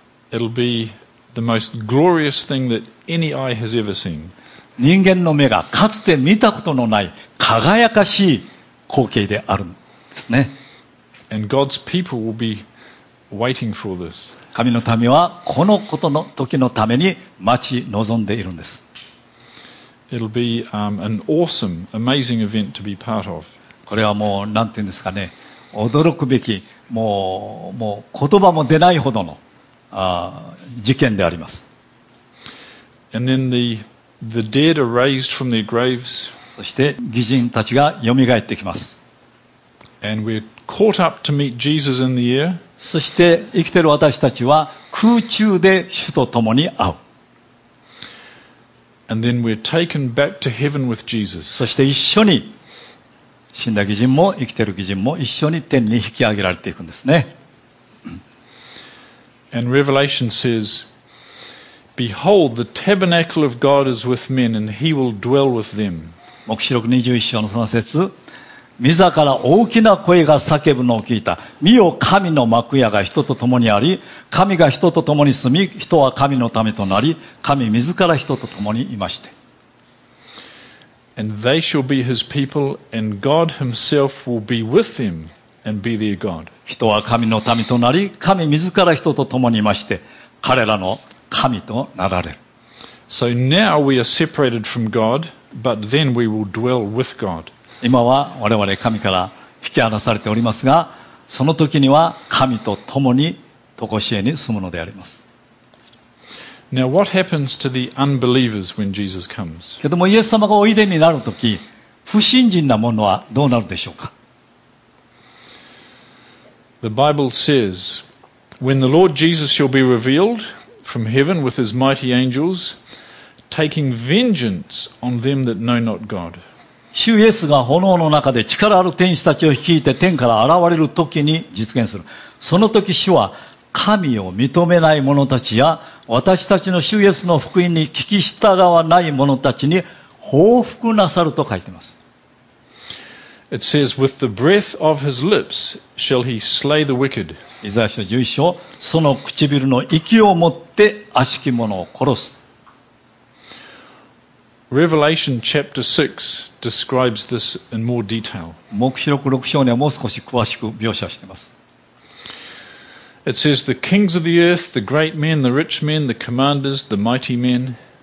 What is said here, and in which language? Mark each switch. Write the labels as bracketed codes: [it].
[en] It'll be the most glorious thing that any eye has ever seen. [ja] 人間の目がかつて見たことのない輝かしい光景であるんですね。 [en] And God's people will be waiting for this. [ja] 神の民はこのことの時のために待ち望んでいるんです。 [en] It'll be an awesome, amazing event to be part of. [ja] これはもうなんていうんですかね、驚くべき、もう言葉も出ないほどの事件であります。 [en] And then the dead are raised from their graves. [ja] そして義人たちがよみがえってきます。 [en] And we're caught up to meet Jesus in the air. [ja] そして生きている私たちは空中で主と共に会う。 [en] And then we're taken back to heaven with Jesus. [ja] そして一緒に死んだ義人も生きている義人も一緒に天に引き上げられていくんですね。 [en] And Revelation says, "Behold, the tabernacle of God is with men, and He will dwell with them." [ja] 黙示録21章のその節、御座から大きな声が叫ぶのを聞いた。見よ、神の幕屋が人と共にあり、神が人と共に住み、人は神のためとなり、神自ら人と共にいまして。 [en] And they shall be His people, and God Himself will be with them. And be their God. [ja] 人は神の民となり、神自ら人と共にいまして、彼らの神となられる。 [en] So now we are separated from God, but then we will dwell with God. [ja] 今は我々神から引き離されておりますが、その時には神と共に常しえに住むのであります。 [en] Now what happens to the unbelievers when Jesus comes? [ja] けどもイエス様がおいでになる時、不信心なものはどうなるでしょうか。 [en] The Bible says, "When the Lord Jesus shall be revealed from heaven with His mighty angels, taking vengeance on them that know not God." [ja] 主イエスが炎の中で力ある天使たちを率いて天から現れる時に実現する。その時主は神を認めない者たちや私たちの主イエスの福音に聞き従わない者たちに報復なさると書いてます。 [en] It says, "With the breath of his lips shall he slay the wicked." [ja] イザヤ書十一章、その唇の息をもって悪しき者を殺す。 [en] Revelation chapter 6 describes this in more detail. [ja] 黙示録六章にはもう少し詳しく描写しています。 [en] It says, "The kings of the earth, the great men, the rich men, the commanders, the mighty men."